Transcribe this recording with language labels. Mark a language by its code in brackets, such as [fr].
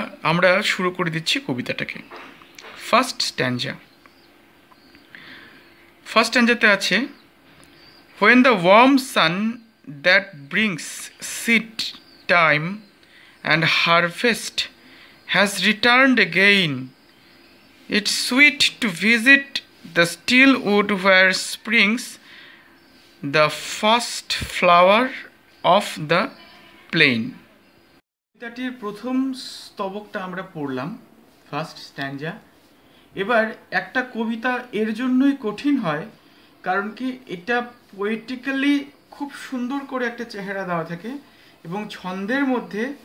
[bn] আমরা শুরু করে দিচ্ছি কবিতাটাকে [en] First স্ট্যানজাতে আছে when the warm sun That brings seed time and harvest has returned again. It's sweet to visit the still wood where springs the first flower of the plain. [bn] কবিতাটির প্রথম স্তবকটা আমরা পড়লাম first স্ট্যানজা এবার একটা কবিতা এর জন্যই কঠিন হয় কারণ কি এটা পোয়েটিক্যালি খুব সুন্দর করে একটা চেহারা দেওয়া থাকে এবং ছন্দের মধ্যে